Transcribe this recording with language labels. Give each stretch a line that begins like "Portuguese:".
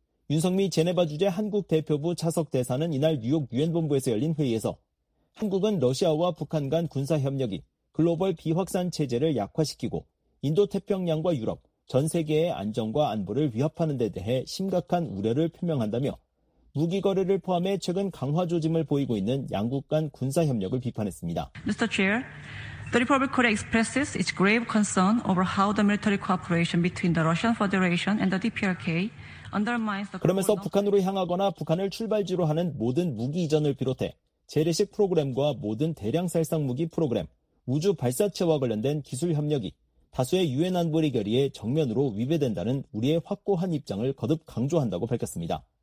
Korean: 윤석미 제네바 주재 한국 대표부 차석 대사는 이날 뉴욕 유엔 본부에서 열린 회의에서 한국은 러시아와 북한 간 군사 협력이 글로벌 비확산 체제를 약화시키고 인도태평양과 유럽, 전 세계의 안전과 안보를 위협하는 데 대해 심각한 우려를 표명한다며 무기 거래를 포함해 최근 강화 조짐을 보이고 있는 양국 간 군사 협력을 비판했습니다.
English: Mr. Chair, the Republic of Korea expresses its grave concern over how the military cooperation between the Russian Federation and the DPRK
Korean: 그러면서 북한으로 향하거나 북한을 출발지로 하는 모든 무기 이전을 비롯해 재래식 프로그램과 모든 대량 살상 무기 프로그램, 우주 발사체와 관련된 기술 협력이 다수의 유엔 안보리 결의에 정면으로 위배된다는 우리의 확고한 입장을 거듭 강조한다고 밝혔습니다.